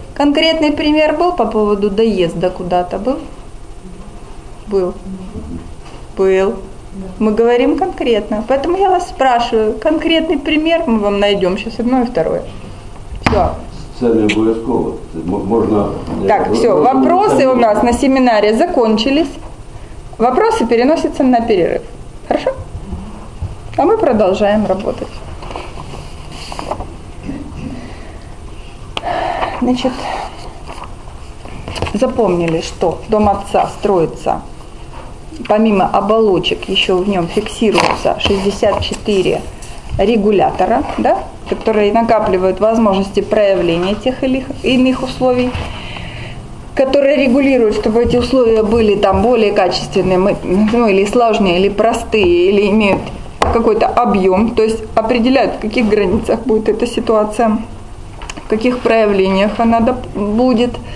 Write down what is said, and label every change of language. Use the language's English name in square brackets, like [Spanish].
[Ukrainian] Конкретний пример був [Russian] по поводу [Ukrainian] доїзду куди-то був? Був. Був. Ми говоримо конкретно. Тому я вас спрашиваю, конкретний пример ми вам знайдемо зараз одне і друге. Все. Це не обов'язково. Це можна. [Russian] Так, все, вопроси у нас на семінарі закончились. [Ukrainian] Вопроси переносяться на перерив. [Russian] Хорошо? [Ukrainian] А ми продовжуємо працювати. Значить, запомнили, що дом отца строїться, [Russian] помимо оболочок, [Ukrainian] ще в ньому фіксуються 64 регулятора, да? [Russian] Которые накапливают возможности проявления тех или иных условий, которые регулируют, чтобы эти условия были там более качественными, ну, или сложнее, или простые, или имеют какой-то объем, то есть определяют, в каких границах будет эта ситуация, в каких проявлениях она будет.